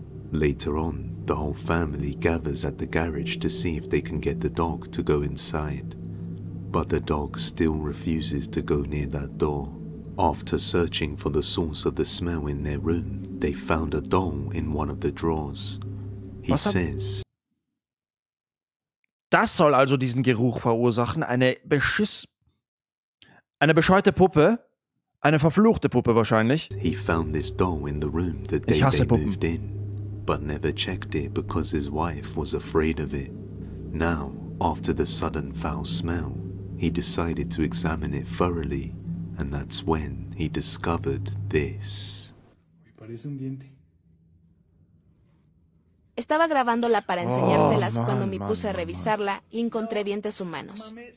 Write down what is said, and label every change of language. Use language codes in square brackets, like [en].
[en] Later on, the whole family gathers at the garage to see if they can get the dog to go inside. But the dog still refuses to go near that door. After searching for the source of the smell in their room, they found a doll in one of the drawers. He says... [de] Das soll also diesen Geruch verursachen, eine bescheuerte Puppe, eine verfluchte Puppe wahrscheinlich. [en] He found this doll in the room the day they moved in, but never checked it because his wife was afraid of it. Now, after the sudden foul smell, he decided to examine it thoroughly, and that's when he discovered this. [es] Me parece un diente. Estaba grabándola para enseñárselas cuando me puse a revisarla y encontré dientes humanos.